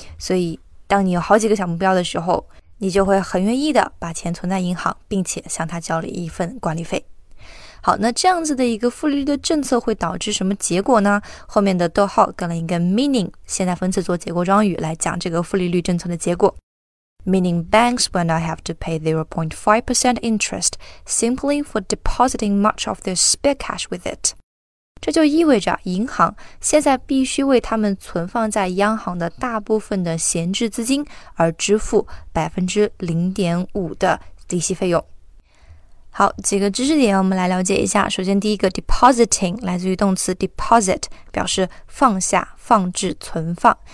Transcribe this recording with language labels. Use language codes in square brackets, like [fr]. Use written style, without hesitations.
[zh] 所以当你有好几个小目标的时候，你就会很愿意的把钱存在银行，并且向他交了一份管理费。好，那这样子的一个负利率的政策会导致什么结果呢？后面的逗号跟了一个 meaning 现在分词做结构状语来讲这个负利率政策的结果。 [en] Meaning banks will not have to pay 0.5% interest simply for depositing much of their spare cash with it. [zh] 这就意味着银行现在必须为他们存放在央行的大部分的闲置资金而支付 0.5% 的利息费用。好，几个知识点我们来了解一下。首先第一个 depositing 来自于动词 deposit， 表示放下、放置、存放。